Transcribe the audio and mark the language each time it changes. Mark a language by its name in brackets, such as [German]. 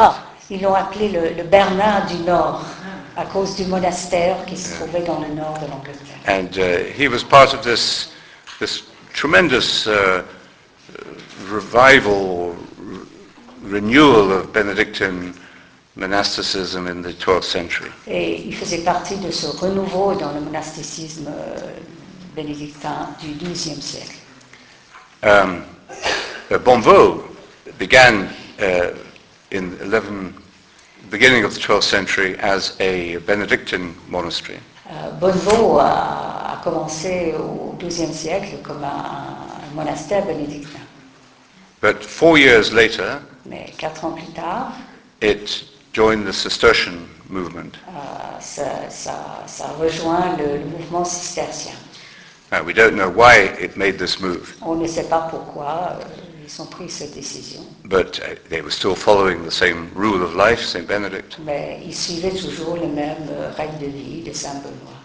[French] Ah, ils l'ont appelé le Bernard du Nord à cause du monastère qui se trouvait dans le nord de l'Angleterre. [English] And he was part of this tremendous revival, renewal of Benedictine monasticism in the 12th century. [French] Et il faisait partie de ce renouveau dans le monasticisme bénédictin du 12e siècle. [English] Bonvaux began in beginning of the 12th century as a Benedictine monastery. [French] Bonvaux a commencé au 12e siècle comme un monastère bénédictin. [English] But 4 years later, [French] mais 4 ans plus tard, [English] it joined the Cistercian movement. [French] Ça rejoint le mouvement cistercien. [English] Now, we don't know why it made this move. [French] On ne sait pas pourquoi ils ont pris cette décision. [English] But they were still following the same rule of life, Saint Benedict. [French] Mais ils suivaient toujours le même règle de vie de Saint Benoît.